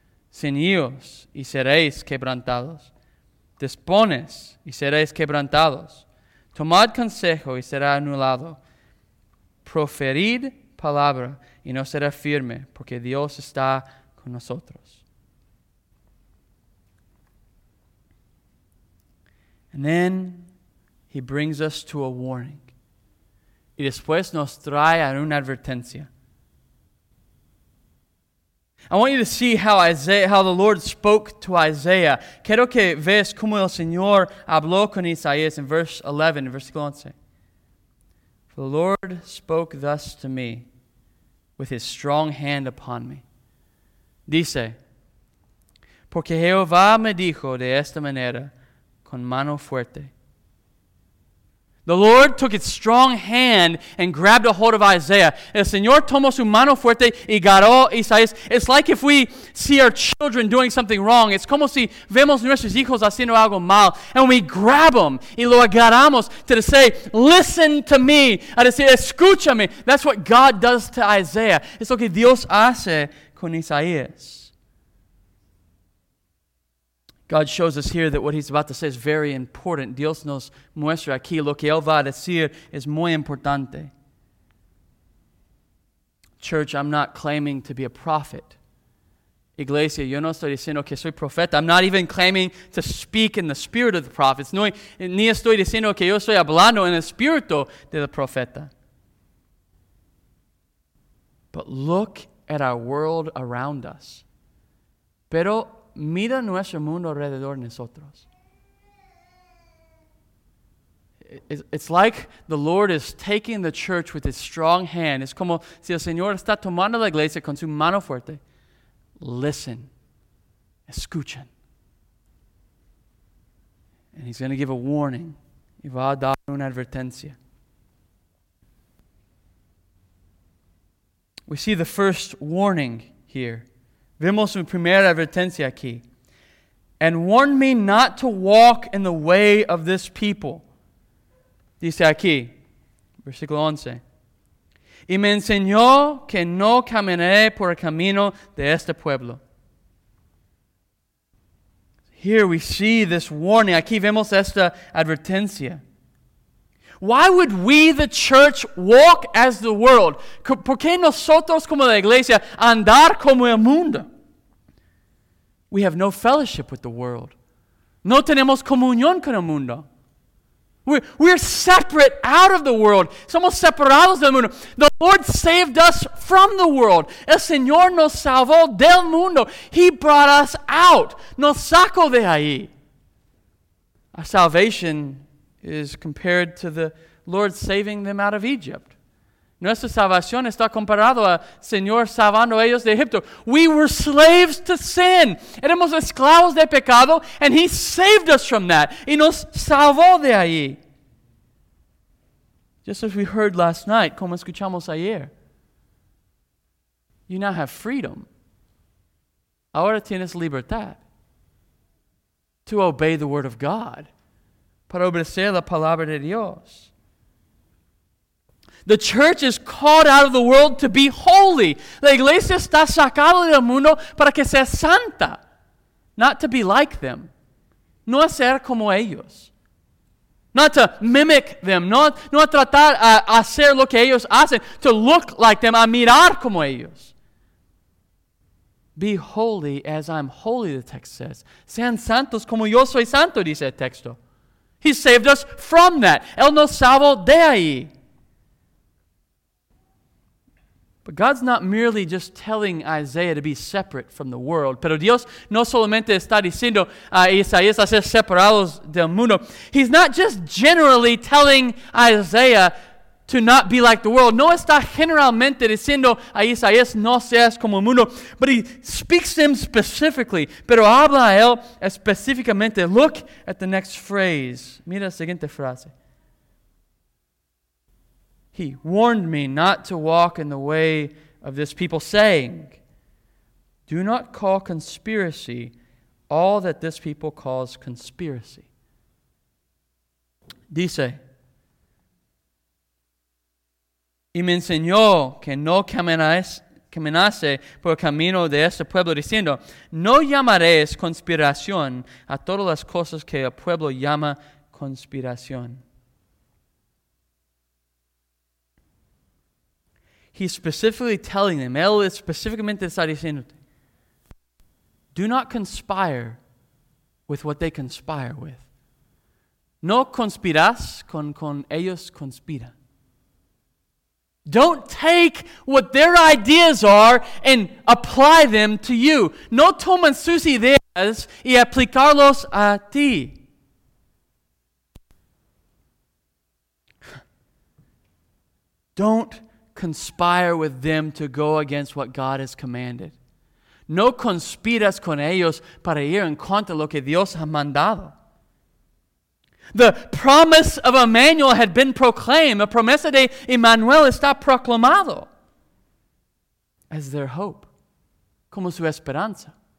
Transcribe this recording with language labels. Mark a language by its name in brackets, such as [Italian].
[Spanish] Ceñíos y seréis quebrantados. Dispones y seréis quebrantados. Tomad consejo y será anulado. Proferid palabra y no será firme, porque Dios está con nosotros. [English] And then he brings us to a warning. [Spanish] Y después nos trae a una advertencia. [English] I want you to see how the Lord spoke to Isaiah. [Spanish] Quiero que veas cómo el Señor habló con Isaías [English] in verse 11, [Spanish] versículo 11. [English] The Lord spoke thus to me with his strong hand upon me. [Spanish] Dice, porque Jehová me dijo de esta manera con mano fuerte. [English] The Lord took its strong hand and grabbed a hold of Isaiah. [Spanish] El Señor tomó su mano fuerte y agarró Isaías. [English] It's like if we see our children doing something wrong. It's [Spanish] como si vemos nuestros hijos haciendo algo mal. [English] And we grab them [Spanish] y lo agarramos [English] to say, listen to me. [Spanish] A decir, escúchame. [English] That's what God does to Isaiah. [Spanish] Es lo que Dios hace con Isaías. [English] God shows us here that what he's about to say is very important. [Spanish] Dios nos muestra aquí lo que él va a decir es muy importante. [English] Church, I'm not claiming to be a prophet. [Spanish] Iglesia, yo no estoy diciendo que soy profeta. [English] I'm not even claiming to speak in the spirit of the prophets. [Spanish] No, ni estoy diciendo que yo estoy hablando en el espíritu de la profeta. [English] But look at our world around us. [Spanish] Pero mira nuestro mundo alrededor de nosotros. [English] It's like the Lord is taking the church with his strong hand. [Spanish] Es como si el Señor está tomando la iglesia con su mano fuerte. [English] Listen. [Spanish] Escuchen. [English] And he's going to give a warning. [Spanish] Y va a dar una advertencia. [English] We see the first warning here. [Spanish] Vemos una primera advertencia aquí. [English] And warn me not to walk in the way of this people. [Spanish] Dice aquí, versículo 11. Y me enseñó que no caminaré por el camino de este pueblo. [English] Here we see this warning. [Spanish] Aquí vemos esta advertencia. [English] Why would we, the church, walk as the world? [Spanish] ¿Por qué nosotros como la iglesia andar como el mundo? [English] We have no fellowship with the world. [Spanish] No tenemos comunión con el mundo. [English] We're separate out of the world. [Spanish] Somos separados del mundo. [English] The Lord saved us from the world. [Spanish] El Señor nos salvó del mundo. [English] He brought us out. [Spanish] Nos sacó de ahí. [English] Our salvation is compared to the Lord saving them out of Egypt. [Spanish] Nuestra salvación está comparado al Señor salvando a ellos de Egipto. [English] We were slaves to sin. [Spanish] Éramos esclavos de pecado, [English] and he saved us from that. [Spanish] Y nos salvó de ahí. [English] Just as we heard last night, [Spanish] como escuchamos ayer. [English] You now have freedom. [Spanish] Ahora tienes libertad. [English] To obey the word of God. [Spanish] Para obedecer la palabra de Dios. [English] The church is called out of the world to be holy. [Spanish] La iglesia está sacada del mundo para que sea santa. [English] Not to be like them. [Spanish] No hacer como ellos. [English] Not to mimic them. [Spanish] No tratar a hacer lo que ellos hacen. [English] To look like them. [Spanish] A mirar como ellos. [English] Be holy as I'm holy, the text says. [Spanish] Sean santos como yo soy santo, dice el texto. [English] He saved us from that. [Spanish] Él nos salvó de ahí. [English] But God's not merely just telling Isaiah to be separate from the world. [Spanish] Pero Dios no solamente está diciendo a Isaías a ser separados del mundo. [English] He's not just generally telling Isaiah to not be like the world. [Spanish] No está generalmente diciendo a Isaías no seas como el mundo. [English] But he speaks to him specifically. [Spanish] Pero habla a él específicamente. [English] Look at the next phrase. [Spanish] Mira la siguiente frase. [English] He warned me not to walk in the way of this people, saying, do not call conspiracy all that this people calls conspiracy. [Spanish] Dice, y me enseñó que no caminase por el camino de este pueblo, diciendo, no llamaréis conspiración a todas las cosas que el pueblo llama conspiración. [English] He's specifically telling them, [Spanish] él es específicamente está diciendo, [English] do not conspire with what they conspire with. [Spanish] No conspiras con ellos conspira. [English] Don't take what their ideas are and apply them to you. [Spanish] No tomen sus ideas y aplicarlos a ti. [English] Don't conspire with them to go against what God has commanded. [Spanish] No conspiras con ellos para ir en contra de lo que Dios ha mandado. [English] The promise of Emmanuel had been proclaimed. [Spanish] La promesa de Emmanuel está proclamado [English] as their hope, [Spanish] como su esperanza.